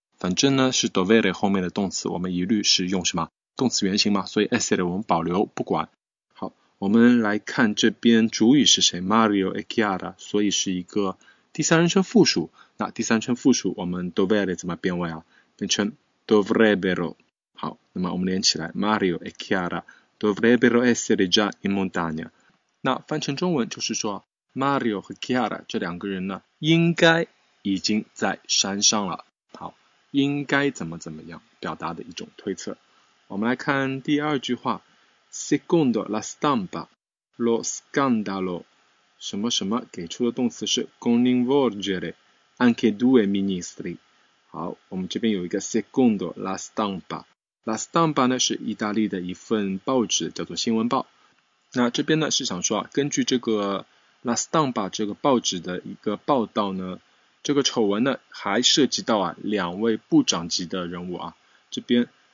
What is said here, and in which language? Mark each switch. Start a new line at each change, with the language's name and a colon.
Chinese: 反正呢是 dovere 后面的动词，我们一律是用什么动词原形嘛，所以 essere 我们保留不管。我们来看这边主语是谁 ，Mario e Chiara， 所以是一个第三人称复数。那第三人称复数我们 dovere 怎么变位啊？变成 dovrebbero。好，那么我们连起来 ，
Italian: Mario e Chiara dovrebbero essere già in montagna。
Chinese: 那翻成中文就是说 ，Mario 和 Chiara 这两个人呢，应该已经在山上了。好，应该怎么怎么样，表达的一种推测。我们来看第二句话。
Italian: Secondo la stampa, lo scandalo,
Chinese: 什么什么给出的动词是
Italian: coinvolgere anche due ministri。
Chinese: 好，我们这边有一个
Italian: secondo la stampa。
Chinese: La stampa 呢是意大利的一份报纸，叫做新闻报。那这边呢是想说啊，根据这个 la stampa 这个报纸的一个报道呢，这个丑闻呢还涉及到啊两位部长级的人物啊，这边。